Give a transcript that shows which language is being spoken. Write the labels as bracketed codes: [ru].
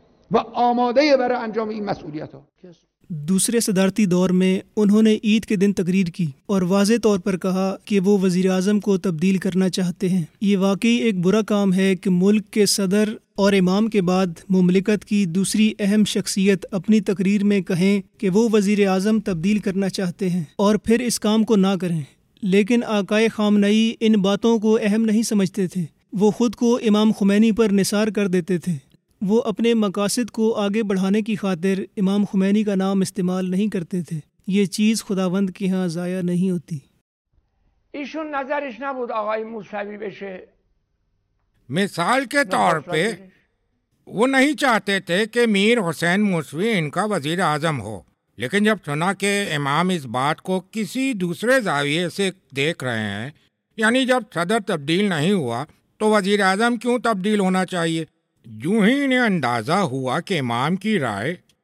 [fa] و آماده برای انجام این مسئولیت ها. [ur] دوسرے صدارتی دور میں انہوں نے عید کے دن تقریر کی اور واضح طور پر کہا کہ وہ وزیراعظم کو تبدیل کرنا چاہتے ہیں۔ یہ واقعی ایک برا کام ہے کہ ملک کے صدر اور امام کے بعد مملکت کی دوسری اہم شخصیت اپنی تقریر میں کہیں کہ وہ وزیراعظم تبدیل کرنا چاہتے ہیں اور پھر اس کام کو نہ کریں۔ لیکن آقائے خامنئی ان باتوں کو اہم نہیں سمجھتے تھے، وہ خود کو امام خمینی پر نثار کر دیتے تھے، وہ اپنے مقاصد کو آگے بڑھانے کی خاطر امام خمینی کا نام استعمال نہیں کرتے تھے۔ یہ چیز خداوند کے ہاں ضائع نہیں ہوتی۔ [fa] ایشون نظرش نبود آقای موسوی بشه، [ur] مثال کے طور پہ وہ نہیں چاہتے تھے کہ میر حسین موسوی ان کا وزیر اعظم ہو، لیکن جب سنا کہ امام اس بات کو کسی دوسرے زاویے سے دیکھ رہے ہیں، یعنی جب صدر تبدیل نہیں ہوا تو وزیر اعظم کیوں تبدیل ہونا چاہیے، یوں ہی انہیں اندازہ ہوا کہ امام کی رائے